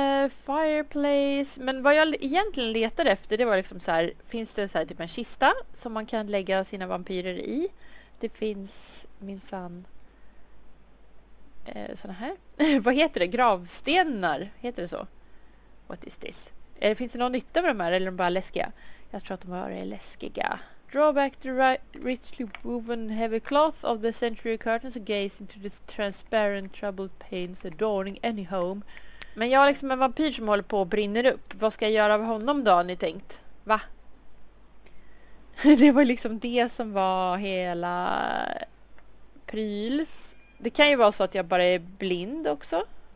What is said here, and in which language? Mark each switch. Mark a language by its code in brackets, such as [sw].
[sv] Fireplace, men vad jag egentligen letade efter, det var liksom så här, finns det så här typ en kista som man kan lägga sina vampyrer i? Det finns minsann såna här. Vad heter det? Gravstenar, heter det så? [en] What is this? [sv] Finns det någon nytta med de här eller är de bara läskiga? Jag tror att de bara är läskiga. [en] Drawback the richly woven heavy cloth of the century curtains and gaze into the transparent troubled panes adorning any home. [sv] Men jag har liksom en vampyr som håller på och brinner upp. Vad ska jag göra av honom då, har ni tänkt? Va? Det var liksom det som var hela pryls. Det kan ju vara så att jag bara är blind också.